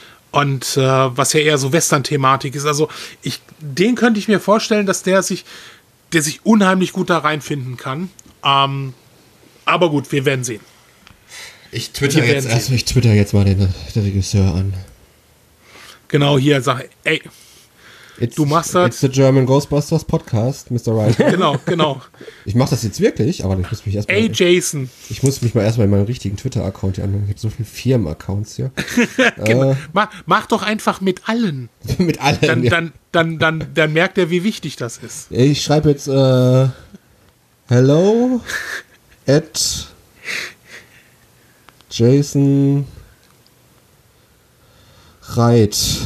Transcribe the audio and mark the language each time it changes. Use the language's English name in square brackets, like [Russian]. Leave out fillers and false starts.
[German] Und was ja eher so Western-Thematik ist. Also den könnte ich mir vorstellen, dass der sich unheimlich gut da reinfinden kann. Aber gut, wir werden sehen. Ich twitter jetzt erst, ich twitter jetzt mal den Regisseur an. Genau, hier, sag, ey, it's, du machst das. [English] It's the German Ghostbusters Podcast, Mr. Wright. [German] Genau, genau. Ich mach das jetzt wirklich, aber ich muss mich erstmal. Ey, Jason. Ich muss mich mal erstmal in meinen richtigen Twitter-Account hier anmelden. Ich habe so viele Firmen-Accounts hier. mach doch einfach mit allen. Mit allen. Dann, ja. dann merkt er, wie wichtig das ist. Ich schreibe jetzt [English] hello at [German] Jason Reit.